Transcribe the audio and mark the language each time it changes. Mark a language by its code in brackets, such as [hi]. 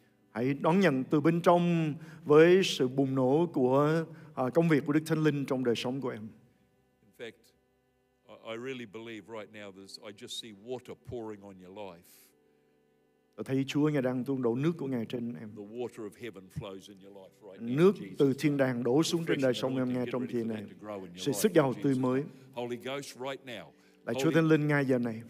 [vi] Hãy đón nhận từ bên trong với sự bùng nổ của công việc của Đức Thánh Linh trong đời sống của em. [en] I really believe right now I just see water pouring on your life. [vi] Tôi thấy Chúa Ngài đang tuôn đổ nước của Ngài trên em. [en] The water of heaven flows in your life right now. [vi] Nước từ thiên đàng đổ xuống trên đời sống em ngay trong thời này. Sự sức giàu tươi mới. [en] Holy Ghost right now. [vi] Lạy Chúa Thánh Linh ngay giờ này.